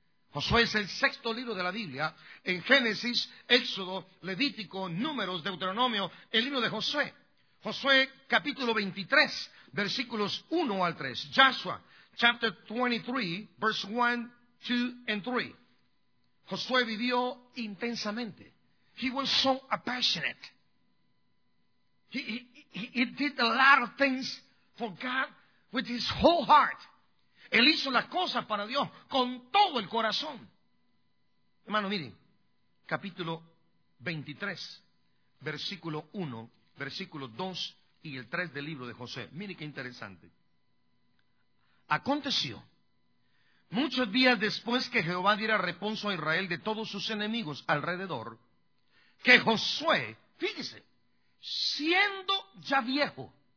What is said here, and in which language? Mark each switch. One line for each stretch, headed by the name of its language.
Spanish: Josué es el sexto libro de la Biblia. En Génesis, Éxodo, Levítico, Números, Deuteronomio, el libro de Josué. Josué capítulo 23, versículos 1 al 3.
English: Joshua chapter 23, verse 1, 2 and 3.
Spanish: Josué vivió intensamente.
English: He was so passionate. He did a lot of things for God with his whole heart.
Spanish: Él hizo las cosas para Dios con todo el corazón. Hermano, miren, capítulo 23, versículo 1, versículo 2 y el 3 del libro de Josué. Miren qué interesante. Aconteció muchos días después que Jehová diera reposo a Israel de todos sus enemigos alrededor, que Josué, fíjese, siendo ya viejo